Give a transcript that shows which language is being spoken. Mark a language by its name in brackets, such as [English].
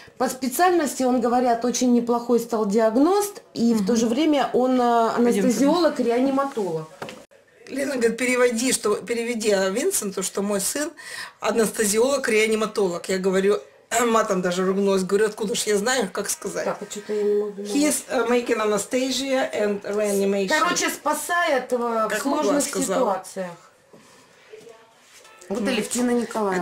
[Russian] По специальности, он, говорят, очень неплохой стал диагност, и в то же время он анестезиолог, реаниматолог. Лена говорит, переведи Винсенту, что мой сын анестезиолог, реаниматолог. Я говорю, матом даже ругнулась, говорю, откуда ж я знаю, как сказать. Так, а что-то я не могу. [English] He is making anesthesia and reanimation. [Russian] Короче, спасает в сложных ситуациях. Вот Алевтина Николаевна.